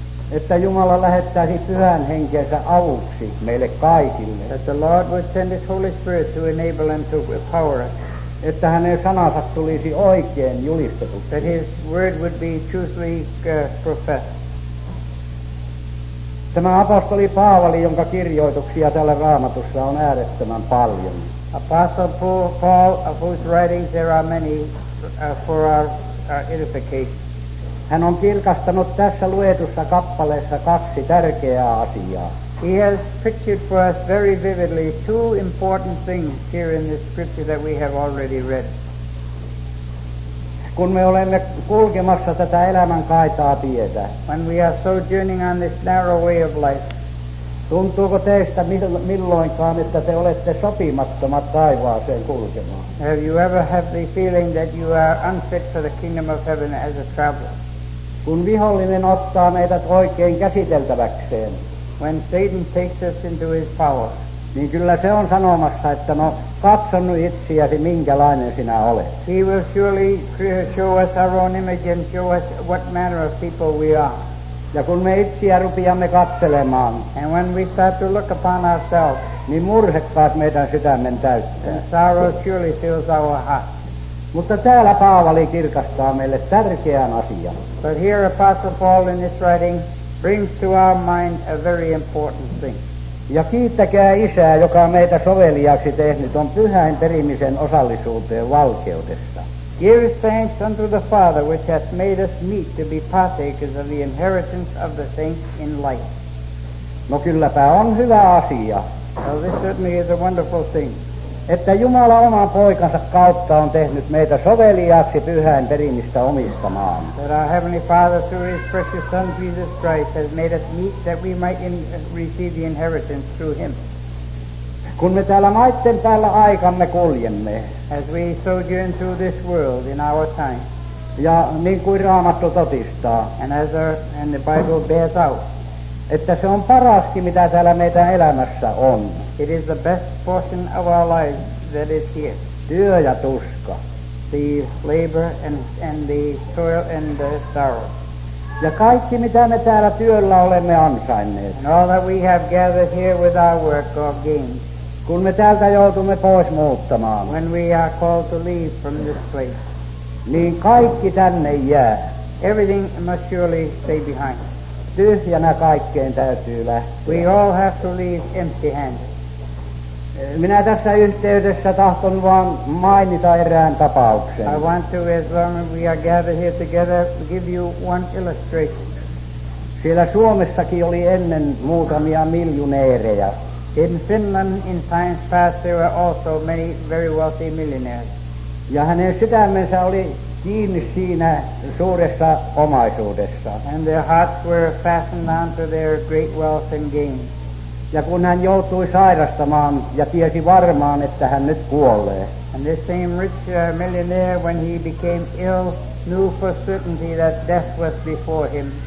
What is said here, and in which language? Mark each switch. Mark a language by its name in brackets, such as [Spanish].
[Finnish] Että Jumala lähettäisi pyhän henkensä avuksi meille kaikille. [English] That the Lord would send his Holy Spirit to enable and to empower us. [Finnish] Että hänen sanansa tulisi oikein julistetuksi. [English] That his word would be truthfully professed. [Finnish] Tämä apostoli Paavali, jonka kirjoituksia täällä Raamatussa on äärettömän paljon. [English] Apostle Paul, of whose writings there are many for our edification. [Finnish] Hän on kirkastanut tässä luetussa kappaleessa kaksi tärkeää asiaa. [English] He has pictured for us very vividly two important things here in this scripture that we have already read. [Finnish] Kun me olemme kulkemassa tätä elämän kaitaa tietä, [English] when we are sojourning on this narrow way of life, [Finnish] tuntuuko teistä milloinkaan, että te olette sopimattomat taivaaseen kulkemaan? [English] Have you ever had the feeling that you are unfit for the kingdom of heaven as a traveler? [Finnish] Kun vihollinen ottaa meidät oikein käsiteltäväkseen, [English] when Satan takes us into his power, [Finnish] niin kyllä se on sanomassa, että no, katso nyt itseäsi, minkälainen sinä olet. [English] He will surely show us our own image and show us what manner of people we are. [Finnish] Ja kun me itseä rupeamme katselemaan, [English] and when we start to look upon ourselves, [Finnish] niin murhe taas meidän sydämen täyttää. [English] And sorrow surely fills our heart. [Finnish] Mutta täällä Paavali kirkastaa meille tärkeän asian. [English] But here Apostle Paul in his writing brings to our mind a very important thing. [Finnish] Ja kiittäkää Isää, joka meitä soveliaksi tehnyt on pyhän perimisen osallisuuteen valkeudessa. [English] Give thanks unto the Father which hath made us meet to be partakers of the inheritance of the saints in light. [Finnish] No kylläpä on hyvä asia. [English] Well, this certainly is a wonderful thing. [Finnish] Että Jumala oman poikansa kautta on tehnyt meitä soveliaksi pyhän perimistä omistamaan. [English] That our Heavenly Father, through His precious Son, Jesus Christ, has made us meet that we might receive the inheritance through Him. [Finnish] Kun me täällä maitten täällä aikamme kuljemme. [English] As we sojourn through this world in our time. [Finnish] Ja niin kuin Raamattu totistaa. [English] And the Bible bears out. [Finnish] Että se on paraskin, mitä täällä meidän elämässä on. [English] It is the best portion of our lives that is here. [Finnish] Työ ja tuska. [English] The labor and the toil and the sorrow. [Finnish] Ja kaikki, mitä me täällä työllä olemme ansainneet. [English] And all that we have gathered here with our work or gains. [Finnish] Kun me täältä joutumme pois muuttamaan. [English] When we are called to leave from this place. [Finnish] Niin kaikki tänne jää. [English] Everything must surely stay behind. [Finnish] Tyhjänä kaikkeen täytyy lähteä. [English] We all have to leave empty-handed. [Finnish] Minä tässä yhteydessä tahton vaan mainita erään tapauksen. [English] I want to, as long as we are gathered here together, give you one illustration. [Finnish] Siellä Suomessakin oli ennen muutamia miljoneereja. [English] In Finland, in times past, there were also many very wealthy millionaires. [Finnish] Ja hänen sydämensä oli kiinni siinä suuressa omaisuudessa. [English] And their hearts were fastened onto their great wealth and gains. [Finnish] Ja kun hän joutui sairastamaan ja tiesi varmaan, että hän nyt kuolee. [English] And this same rich millionaire, when he became ill, knew for certainty that death was before him.